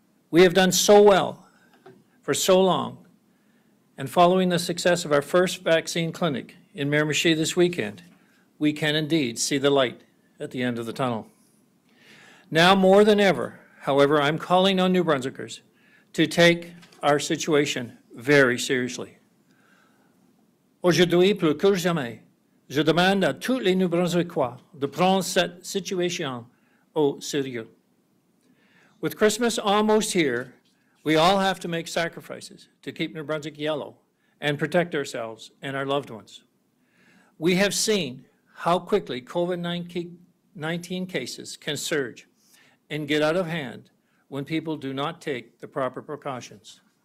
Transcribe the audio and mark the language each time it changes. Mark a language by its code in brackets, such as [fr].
[en] We have done so well for so long, and following the success of our first vaccine clinic in Miramichi this weekend, we can indeed see the light at the end of the tunnel. Now more than ever, however, I'm calling on New Brunswickers to take our situation very seriously. [fr] Aujourd'hui, plus que jamais, je demande à tous les New Brunswickois de prendre cette situation au sérieux. [en] With Christmas almost here, we all have to make sacrifices to keep New Brunswick yellow and protect ourselves and our loved ones. We have seen how quickly COVID-19 cases can surge and get out of hand when people do not take the proper precautions.